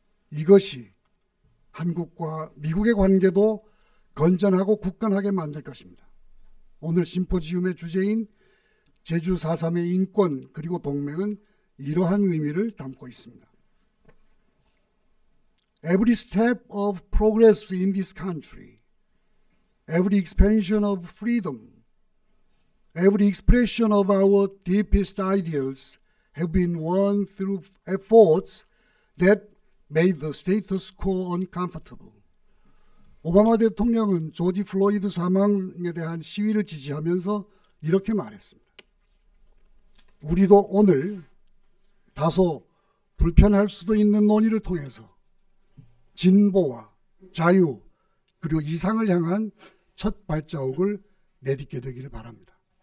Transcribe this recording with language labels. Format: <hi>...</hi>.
<ko>이것이 한국과 미국의 관계도 건전하고 굳건하게 만들 것입니다. 오늘 심포지움의 주제인 제주 4.3의 인권 그리고 동맹은 이러한 의미를 담고 있습니다.</ko> <en>Every step of progress in this country, every expansion of freedom, every expression of our deepest ideals have been won through efforts that made the status quo uncomfortable.</en> <ko>오바마 대통령은 조지 플로이드 사망에 대한 시위를 지지하면서 이렇게 말했습니다. 우리도 오늘 다소 불편할 수도 있는 논의를 통해서 진보와 자유 그리고 이상을 향한 첫 발자국을 내딛게 되기를 바랍니다.</ko>